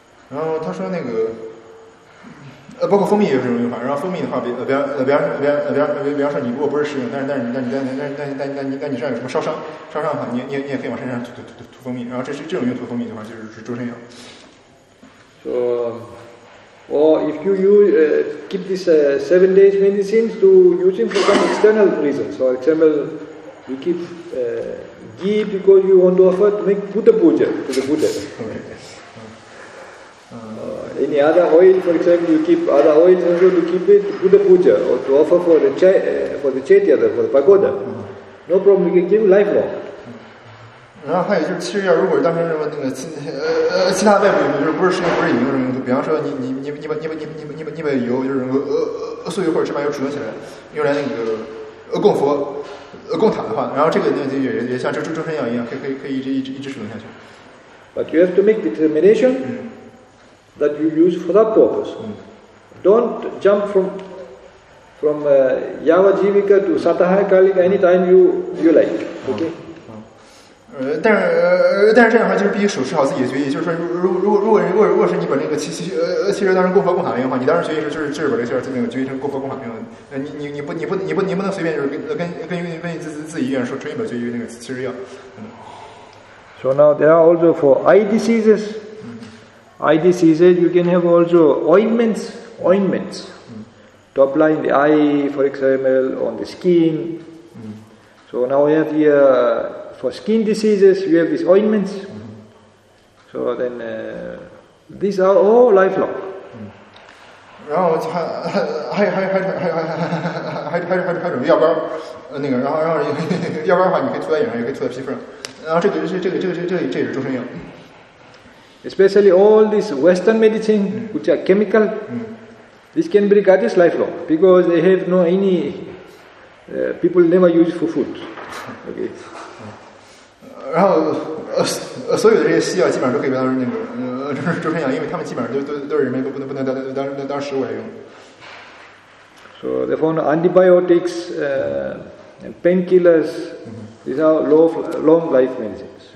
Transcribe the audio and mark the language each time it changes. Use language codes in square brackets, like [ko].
[zh] 然后他说那个，包括蜂蜜也有这种用法。然后蜂蜜的话，比方说你如果不是食用，但你身上有什么烧伤的话，你也可以往身上涂蜂蜜。然后这种用涂蜂蜜的话，就是终身药。 [en] So, or if you use keep this 7 days medicine to use it for some external reasons. For example, you keep ghee because you want to offer to make Buddha puja to the Buddha. Any other oil, for example, you keep other oils also to keep it Buddha puja or to offer for the chaitya, for the pagoda. No problem, you can keep it lifelong. [zh] 然后还有就是七日药，如果是当成什么那个其他外部用途，就是不是食用，不是饮用什么用途，比方说你把油就是素油或者芝麻油储存起来，用来那个供佛供塔的话，然后这个那就也像这终身药一样，可以一直储存下去。 [en] But you have to make determination. That you use for that purpose. Don't jump from Yava Jivika to Satahaya Kalika anytime you like. Okay. [zh] 但是这样的话就是必须手持好自己的决议，就是说如果是你把那个七日当成供佛供塔用的话，你当时决议是就是把这个七日那个决议成供佛供塔用的。你不能随便就是跟自己意愿说纯粹把决议那个七日药。 [en] So now there are also for eye diseases. Eye diseases, you can have also ointments to apply in the eye, for example, on the skin. So now we have here, for skin diseases, you have these ointments. So then, these are all lifelong. [zh] 然后还准备药膏，那个，然后药膏的话，你可以涂在脸上，也可以涂在皮肤上，然后这也是终身药。 [en] Especially all this Western medicine, which are chemical, this can be regarded as lifelong because they have no any people never use for food. Okay. [zh] 然后所有的这些西药基本上都可以当成那个终身药，因为他们基本上都是人们不能当食物来用。 [en] So they found antibiotics, painkillers. These are long life medicines.